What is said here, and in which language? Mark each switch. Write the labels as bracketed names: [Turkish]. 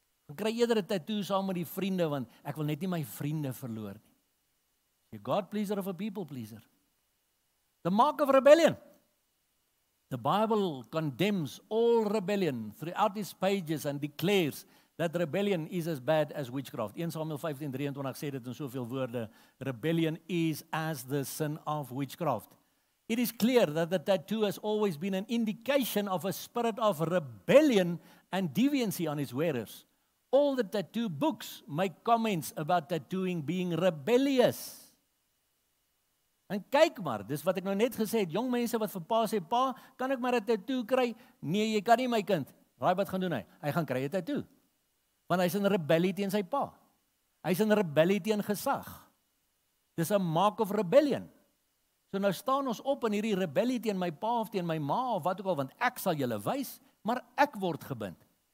[Afrikaans] Ek kry eerder 'n tattoo saam met die vriende, want ek wil net nie my vriende verloor nie. [English] A God pleaser of a people pleaser? The mark of rebellion. The Bible condemns all rebellion throughout its pages and declares that rebellion is as bad as witchcraft. 1 Samuel 15:23 [Afrikaans] sê dit in soveel woorde, [English] rebellion is as the sin of witchcraft. It is clear that the tattoo has always been an indication of a spirit of rebellion and deviancy on its wearers. All the tattoo books make comments about tattooing being rebellious. [Afrikaans] En kyk maar, dis wat ek nou net gesê het, jong mense wat vir pa sê, pa, kan ek maar 'n tattoo kry? Nee, jy kan nie my kind. Raai wat gaan doen hy? Hy gaan kry 'n tattoo. Want hy is in rebellie teen sy pa. Hy is in rebellie teen gesag. Dis 'n [English] mark of rebellion. [Afrikaans] So nou staan ons op in hierdie rebellie teen my pa of teen my ma of wat ook al, want ek sal julle wys, maar ek word gebind.